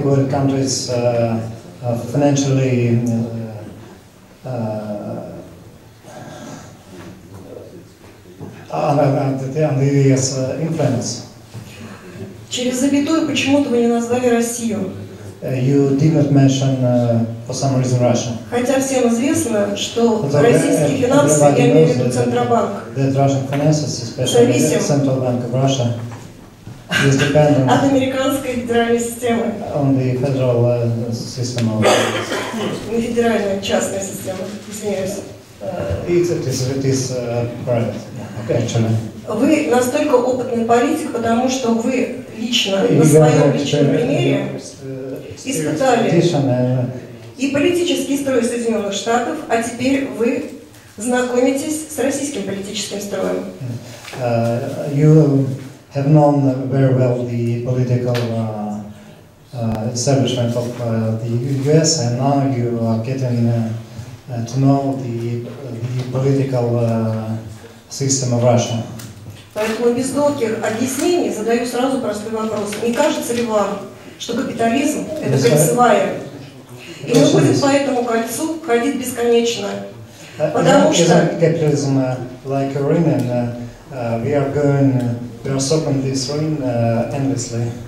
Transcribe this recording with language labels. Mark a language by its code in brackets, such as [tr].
[en] when the countries financially under influence, [ru] через запятую почему-то вы не назвали Россию. [en] You did not mention for some reason Russia. [ru] Хотя всем известно, что российские финансы, я имею в виду Центробанк, [en] that Russian finances, especially the Central Bank of Russia, is dependent [ru] от американской федеральной системы. [en] On the federal system of. [ru] Не федеральная, частная система, извиняюсь. [en] It is private, actually. [ru] Вы настолько опытный политик, потому что вы лично на своем личном примере испытали и политический строй Соединенных Штатов, а теперь вы знакомитесь с российским политическим строем. [en] You have known very well the political establishment of the U.S. and now you are getting to know the political system of Russia. [ru] Поэтому без долгих объяснений задаю сразу простой вопрос. Не кажется ли вам, что капитализм – это кольцевая? И мы будем по этому кольцу ходить бесконечно. Потому что... Капитализм, как ринг, мы будем пересопать этот ринг [en] endlessly.